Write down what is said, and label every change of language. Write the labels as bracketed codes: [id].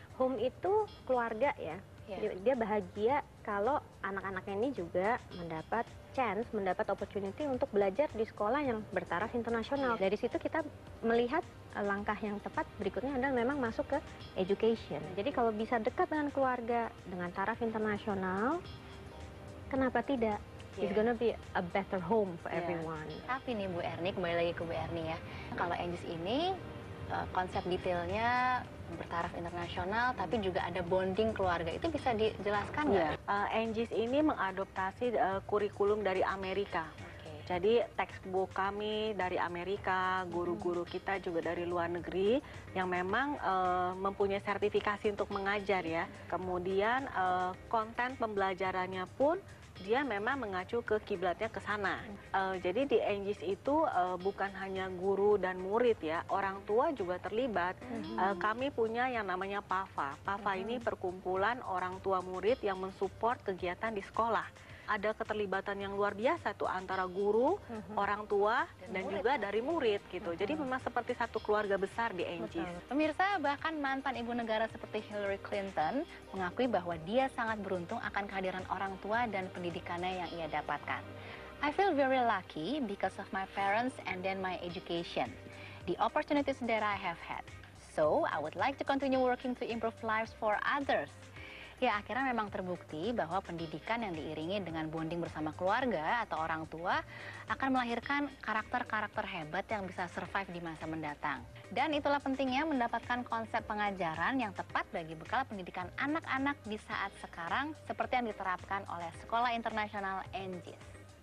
[id] Home itu keluarga ya. Dia bahagia kalau anak-anaknya ini juga mendapat chance, mendapat opportunity untuk belajar di sekolah yang bertaraf internasional. Dari situ kita melihat langkah yang tepat berikutnya adalah memang masuk ke education. Jadi kalau bisa dekat dengan keluarga, dengan taraf internasional, kenapa tidak? [en] It's gonna be a better home for everyone. [id] Tapi nih Bu Ernie, kembali lagi ke Bu Ernie ya. Kalau Angie's ini konsep detailnya bertaraf internasional, tapi juga ada bonding keluarga. Itu bisa dijelaskan nggak? Angie's ini mengadaptasi kurikulum dari Amerika. Jadi textbook kami dari Amerika, guru-guru kita juga dari luar negeri yang memang mempunyai sertifikasi untuk mengajar ya. Kemudian konten pembelajarannya pun dia memang mengacu ke kiblatnya ke sana. Jadi di Angie's itu bukan hanya guru dan murid ya, orang tua juga terlibat. Kami punya yang namanya PAFA. PAFA ini perkumpulan orang tua murid yang mensupport kegiatan di sekolah. Ada keterlibatan yang luar biasa tuh antara guru, orang tua, dan murid, juga dari murid gitu. Jadi memang seperti satu keluarga besar di Angie's. Pemirsa, bahkan mantan ibu negara seperti Hillary Clinton mengakui bahwa dia sangat beruntung akan kehadiran orang tua dan pendidikannya yang ia dapatkan. [en] I feel very lucky because of my parents and then my education, the opportunities that I have had. So, I would like to continue working to improve lives for others. [id] Ya, akhirnya memang terbukti bahwa pendidikan yang diiringi dengan bonding bersama keluarga atau orang tua akan melahirkan karakter-karakter hebat yang bisa survive di masa mendatang. Dan itulah pentingnya mendapatkan konsep pengajaran yang tepat bagi bekal pendidikan anak-anak di saat sekarang seperti yang diterapkan oleh Sekolah Internasional Angie's.